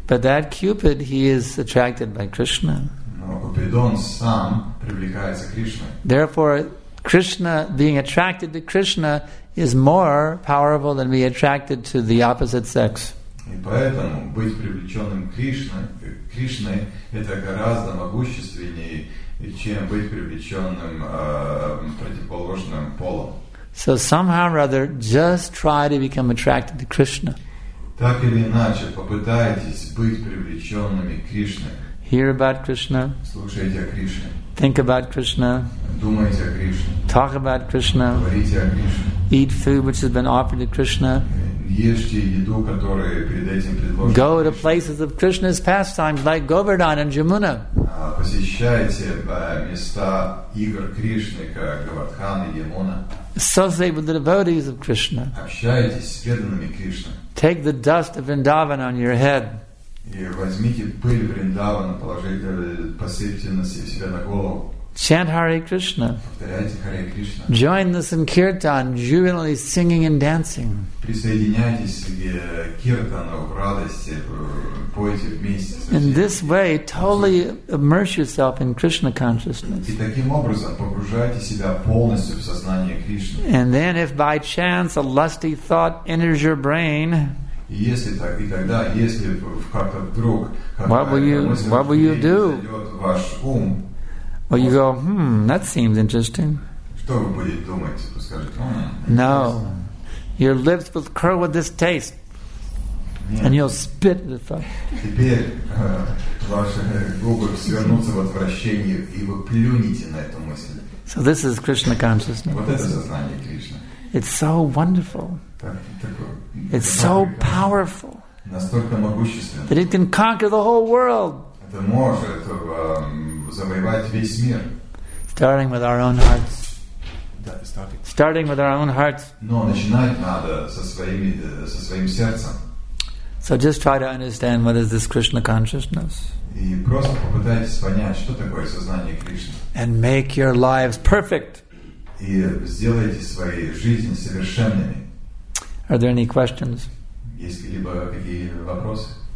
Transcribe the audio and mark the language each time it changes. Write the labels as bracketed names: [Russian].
[English] But that Cupid, he is attracted by Krishna. [Russian] Но Купидон сам привлекается Кришной. [English] Therefore, Krishna being attracted to Krishna is more powerful than being attracted to the opposite sex. [Russian] И поэтому быть привлеченным Кришной это гораздо могущественнее, и чем быть привлеченным противоположным полом. [English] So somehow or other, just try to become attracted to Krishna. [Russian] Так или иначе, попытайтесь быть привлеченными к Кришне. [English] Hear about Krishna. [Russian] Слушайте о Кришне. [English] Think about Krishna. [Russian] Думайте о Кришне. [English] Talk about Krishna. [Russian] Говорите о Кришне. [English] Eat food which has been offered to Krishna. [Russian] Ешьте еду, которую перед этим предложили. [English] Go to places of Krishna's pastimes like Govardhan and Jamuna. [Russian] Посещайте места игр Кришны, как Говардхан и Ямуна. [English] Associate with the devotees of Krishna. [Russian] Общайтесь с преданными Кришны. [English] Take the dust of Vrindavan on your head. [Russian] И возьмите пыль Вриндавана, положите, посыпьте на себя на голову. [English] Chant Hare Krishna. [Russian] Повторяйте Hare Krishna. [English] Join the Sankirtan, jubilantly singing and dancing. [Russian] Присоединяйтесь к Киртану в радости, пойте вместе. [English] In this way, totally immerse yourself in Krishna consciousness. [Russian] И таким образом погружайте себя полностью в сознание Кришны. [English] And then if by chance a lusty thought enters your brain, [Russian] если так, и тогда, если как-то вдруг, [English] what will you do? [Russian] Зайдет ваш ум, [English] well, you go, that seems interesting. [Russian] Что вы будете думать? Вы скажете, [English] no. Your lips will curl with this taste. [Russian] Нет. [English] And you'll spit the thought. [Russian] Теперь ваши губы свернутся в отвращение, и вы плюнете на эту мысль. [English] So this is Krishna consciousness. [Russian] Вот это сознание Кришны. [English] It's so wonderful. It's so powerful. [Russian] Настолько могущественно. [English] That it can conquer the whole world. [Russian] Это может завоевать весь мир. [English] Starting with our own hearts. Starting with our own hearts. [Russian] Но начинать надо со своим сердцем. [English] So just try to understand what is this Krishna consciousness. [Russian] И просто попытайтесь понять, что такое сознание Кришны. [English] And make your lives perfect. [Russian] И сделайте свои жизни совершенными. [English] Are there any questions? [Russian] Есть ли какие-либо вопросы?